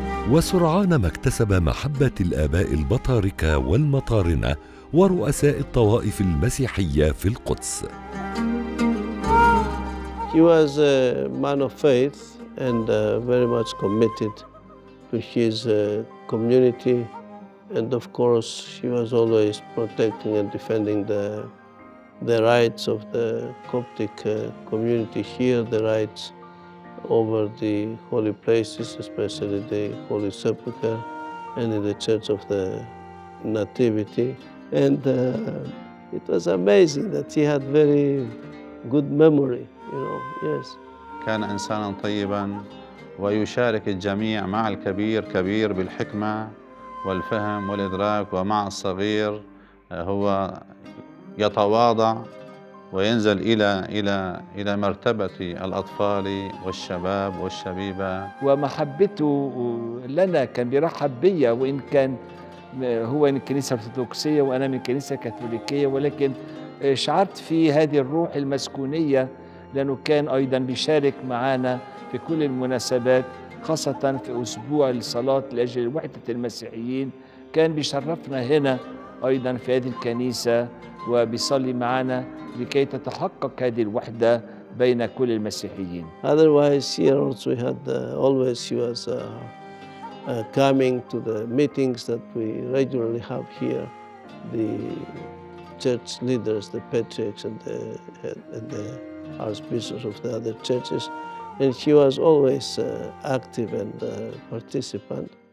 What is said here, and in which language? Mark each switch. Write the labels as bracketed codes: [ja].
[ar] وسرعان ما اكتسب محبة الآباء البطاركة والمطارنة ورؤساء الطوائف المسيحية في القدس. [en] He was a man of faith and very much committed to his community, and of course he was always protecting and defending the rights of the Coptic community here, the rights over the holy places, especially the Holy Sepulchre and in the Church of the Nativity. And it was amazing that he had very good memory, you know, yes. [ar] كان إنسانا طيبا ويشارك الجميع مع الكبير كبير بالحكمة والفهم والإدراك ومع الصغير هو يتواضع وينزل إلى إلى إلى مرتبة الأطفال والشباب والشبيبة. ومحبته لنا كان بيرحب بيا، وإن كان هو من كنيسة أرثوذكسية وأنا من كنيسة كاثوليكية، ولكن شعرت في هذه الروح المسكونية لأنه كان أيضا بيشارك معنا في كل المناسبات، خاصة في أسبوع الصلاة لأجل وحدة المسيحيين كان بيشرفنا هنا أيضا في هذه الكنيسة وبيصلي معنا لكي تتحقق هذه الوحدة بين كل المسيحيين. [en] Otherwise, here also we had always he was coming to the meetings that we regularly have here, the church leaders, the patriarchs and the archbishops of the other churches, and he was always active and participant.